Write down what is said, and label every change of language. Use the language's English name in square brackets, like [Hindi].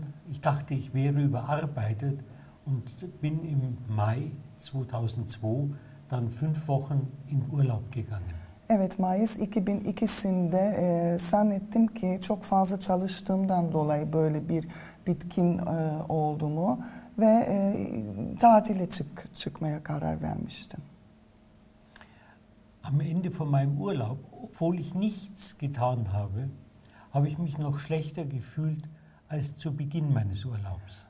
[German] Ich dachte, ich wäre überarbeitet und bin im Mai 2002 dann 5 Wochen in Urlaub gegangen. [Turkish] Evet, Mayıs 2002'sinde zannettim ki çok fazla çalıştığımdan dolayı böyle bir bitkin olduğumu ve tatile çıkmaya karar vermiştim. [German] Am Ende von meinem Urlaub, obwohl ich nichts getan habe, habe ich mich noch schlechter gefühlt als zu Beginn meines Urlaubs.